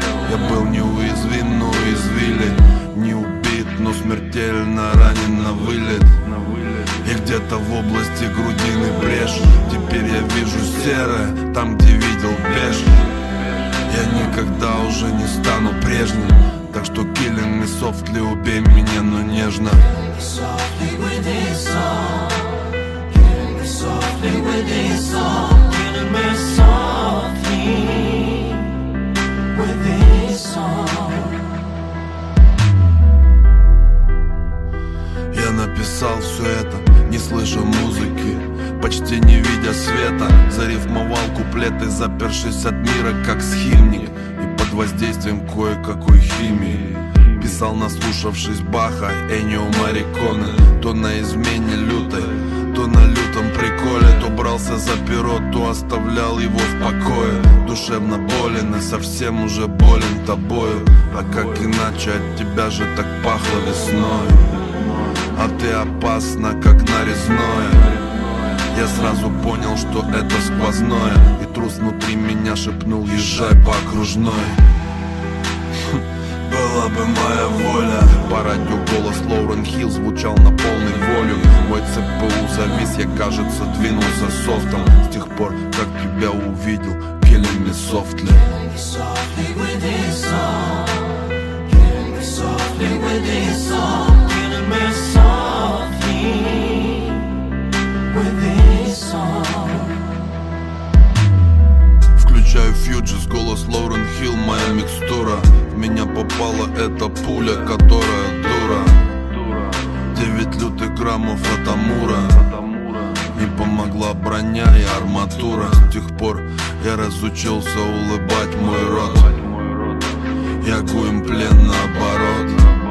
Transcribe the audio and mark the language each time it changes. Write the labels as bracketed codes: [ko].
[ru] Я был неуязвим, но извили, не убит, но смертельно ранен на вылет. И где-то в области грудины брешь, теперь я вижу серое, там где видел беж. Я никогда уже не стану прежним, так что [en] killing me softly, [ru] убей меня, но нежно. [en] Killing me softly with this song, killing me softly with this song, killing me softly with this song. [ru] Я написал все это, не слыша музыки, почти не видя света. Зарифмовал куплеты, запершись от мира, как схимник, и под воздействием кое-какой химии писал, наслушавшись Баха, Эннио Морриконе. То на измене лютой, то на лютом приколе, то брался за перо, то оставлял его в покое. Душевно болен и совсем уже болен тобою, а как иначе, от тебя же так пахло весной. А ты опасна, как нарезное. Я сразу понял, что это сквозное, и трус внутри меня шепнул, езжай по окружной. Была бы моя воля. По радио голос Лоурен Хилл звучал на полный волю. Мой ЦПУ завис, я, кажется, двинулся софтом. С тех пор, как тебя увидел, [en] killing me softly. Killing me softly with this song, killing me softly with this song, me softly with this song. [ru] Включаю фьючерс, голос Лоурен Хилл, моя микстура. В меня попала эта пуля, которая дура. 9 лютых граммов от Амура, не помогла броня и арматура. С тех пор я разучился улыбать мой рот, я гуем плен наоборот.